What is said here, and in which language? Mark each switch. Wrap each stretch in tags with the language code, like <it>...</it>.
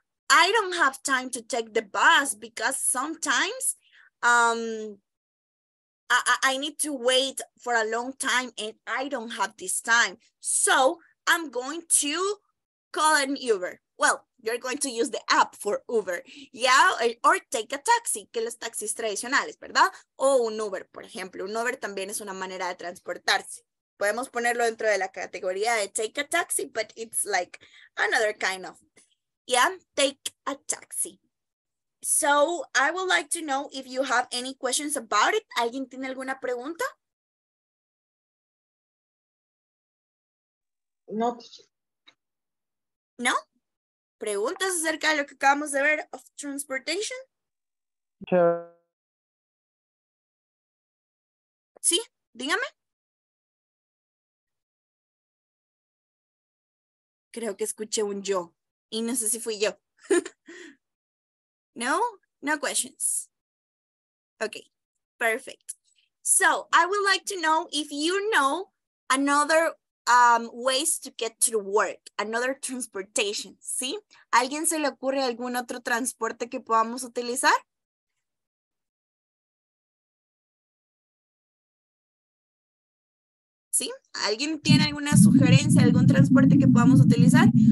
<en>I don't have time to take the bus because sometimes I need to wait for a long time and I don't have this time. So I'm going to call an Uber. Well, you're going to use the app for Uber. Yeah, or take a taxi,</en> <es>que los taxis tradicionales, ¿verdad? O un Uber, por ejemplo. Un Uber también es una manera de transportarse. Podemos ponerlo dentro de la categoría de take a taxi,</es> <en>but it's like another kind of... Yeah, take a taxi. So I would like to know if you have any questions about it.</en> <es>¿Alguien tiene alguna pregunta? No. No? ¿Preguntas acerca de lo que acabamos de ver</es> <en>of transportation? Sure.</en> <es>Sí, dígame. Creo que escuché un yo. Y no sé si fui yo. No?</es> <en>No questions. Okay, perfect. So, I would like to know if you know another ways to get to work, another transportation, ¿sí?</en> <es>¿Alguien se le ocurre algún otro transporte que podamos utilizar? ¿Sí? ¿Alguien tiene alguna sugerencia, algún transporte que podamos utilizar?</es>